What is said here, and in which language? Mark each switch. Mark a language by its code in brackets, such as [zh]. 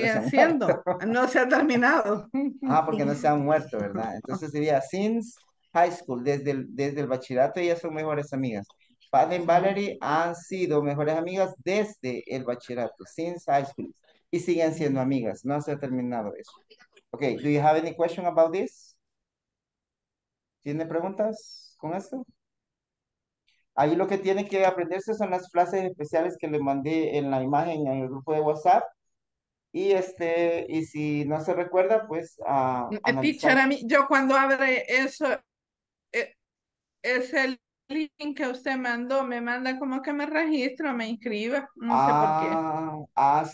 [es] siguen siendo. No se ha terminado. Ah, porque no se han muerto, ¿verdad? Entonces sería [en] since high school. [es] Desde el bachillerato ellas son mejores amigas. Pat and Valerie han sido mejores amigas desde el bachillerato, [en] since high school. [es] Y siguen siendo amigas, no se ha terminado eso. [en] Okay, do you have any question about this? [es] ¿Tiene preguntas con esto? Ahí lo que tiene que aprenderse son las frases especiales que le mandé en la imagen en el grupo de WhatsApp. Y y si no se recuerda, pues a teacher, a mí, yo cuando abre eso, es el link que usted mandó, me manda como que me registro, me inscriba, no sé por qué.